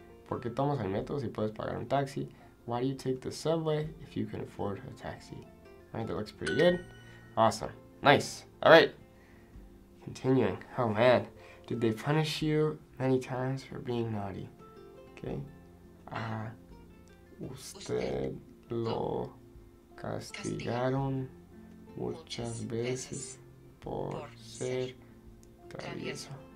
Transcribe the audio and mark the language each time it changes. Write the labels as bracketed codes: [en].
[es] ¿Por qué tomas el metro si puedes pagar un taxi? [en] Why do you take the subway if you can afford a taxi? Alright, that looks pretty good. Awesome. Nice. Alright. Continuing. Oh man. Did they punish you many times for being naughty? Okay. [es] Usted lo castigaron muchas veces por ser travieso.